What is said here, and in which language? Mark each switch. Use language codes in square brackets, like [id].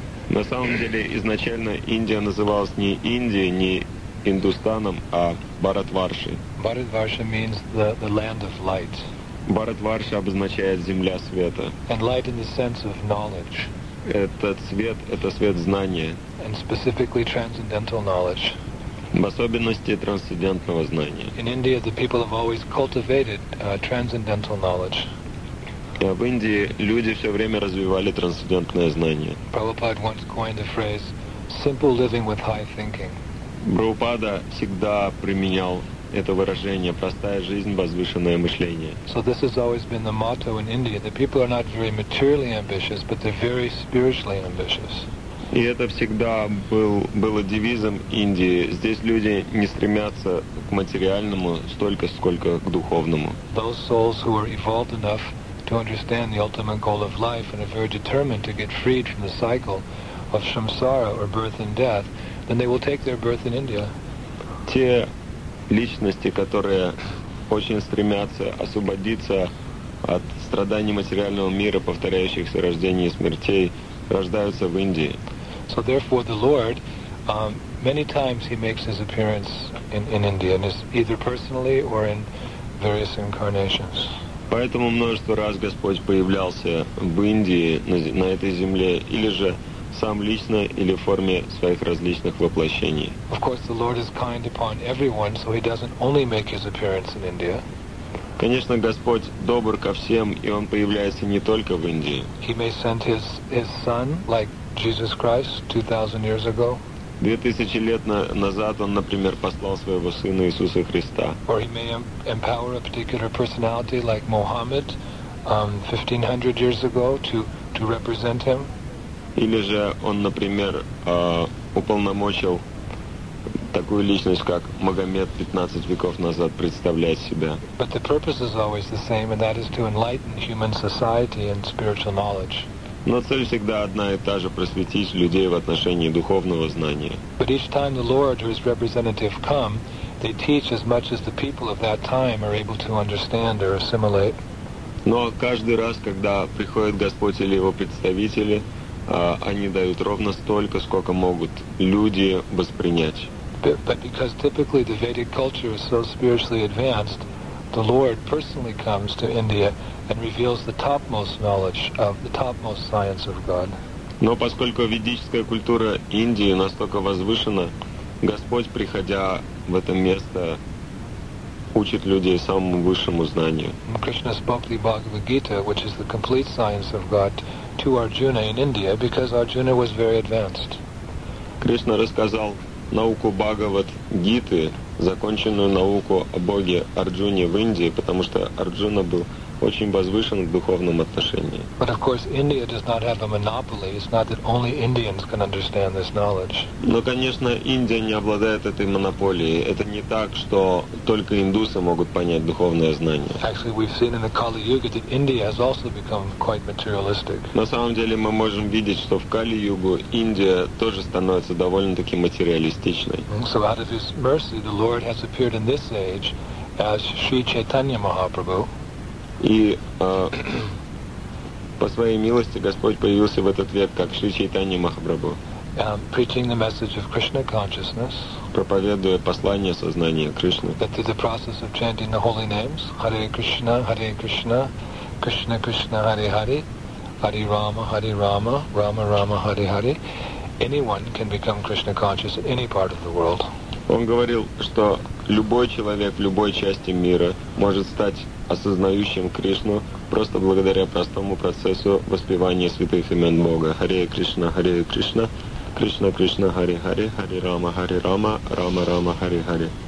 [ru] На самом деле, изначально Индия называлась не Индией, не Индустаном, а Bharat Varsha. [en] Bharat Varsha means the land of light. [ru] Bharat Varsha обозначает земля света. [en] And light in the sense of knowledge. [ru] Это свет знания. [en] And specifically transcendental knowledge. [ru] В особенности трансцендентного знания. [en] In India, the people have always cultivated transcendental knowledge. [ru] В Индии люди все время развивали трансцендентное знание. [en] Prabhupada once coined the phrase simple living with high thinking. [ru] Прабхупада всегда применял это выражение: простая жизнь, возвышенное мышление. [en] So this has always been the motto in India. The people are not very materially ambitious, but they're very spiritually ambitious. [ru] И это всегда было девизом Индии. Здесь люди не стремятся к материальному столько, сколько к духовному. [en] Those souls who are evolved enough to understand the ultimate goal of life and are very determined to get freed from the cycle of samsara or birth and death, then they will take their birth in India. [ru] Те личности, которые очень стремятся освободиться от страданий материального мира, повторяющихся рождений и смертей, рождаются в Индии. [en] So therefore the Lord, many times he makes his appearance in India, and is either personally or in various incarnations. [ru] Поэтому множество раз Господь появлялся в Индии, на этой земле, или же сам лично, или в форме своих различных воплощений. [en] Of course, the Lord is kind upon everyone, so he doesn't only make his appearance in India. [ru] Конечно, Господь добр ко всем, и он появляется не только в Индии. [en] He may send his son, like Jesus Christ, 2000 years ago. [ru] 2000 лет назад он, например, послал своего сына Иисуса Христа. [en] Or he may empower a particular personality like Muhammad 1500 years ago to represent him. [ru] Или же он, например, уполномочил такую личность, как Магомед 15 веков назад представляет себя. [en] But the purpose is always the same, and that is to enlighten human society and spiritual knowledge. [ru] Но цель всегда одна и та же – просветить людей в отношении духовного знания. [en] But each time the Lord or His representative come, they teach as much as the people of that time are able to understand or assimilate. [ru] Но каждый раз, когда приходит Господь или Его представители, они дают ровно столько, сколько могут люди воспринять. [en] But because typically the Vedic culture is so spiritually advanced, the Lord personally comes to India and reveals the topmost knowledge of the topmost science of God. [ru] Но поскольку ведическая культура Индии настолько возвышена, Господь, приходя в это место, учит людей самому высшему знанию. [en] Krishna spoke the Bhagavad Gita, which is the complete science of God, to Arjuna in India because Arjuna was very advanced. [ru] Кришна рассказал науку Бхагавад Гиты, законченную науку о Боге Арджуне в Индии, потому что Арджуна был очень возвышен в духовном отношении. [en] But of course, India does not have a monopoly. It's not that only Indians can understand this knowledge. [ru] Но, конечно, Индия не обладает этой монополией. Это не так, что только индусы могут понять духовное знание. [en] Actually, we've seen in the Kali-Yuga that India has also become quite materialistic. [ru] На самом деле, мы можем видеть, что в Кали-Югу Индия тоже становится довольно-таки материалистичной. [en] So out of His mercy, the Lord has appeared in this age as Sri Chaitanya Mahaprabhu. [ru] И по своей милости Господь появился в этот век как Шри Чайтанья Махапрабху, [en] preaching the message of Krishna consciousness, [ru] проповедуя послание сознания Кришны. [en] That through the process of chanting the holy names, Hare Krishna, Hare Krishna, Krishna Krishna, Hare Hare, Hare Rama, Rama Rama, Hare Hare, anyone can become Krishna conscious in any part of the world. [ru] Он говорил, что любой человек в любой части мира может стать осознающим Кришну просто благодаря простому процессу воспевания святых имен Бога. Харе Кришна, Харе Кришна, Кришна Кришна, Харе Харе, Харе Рама, Харе Рама, Рама Рама, Харе Харе.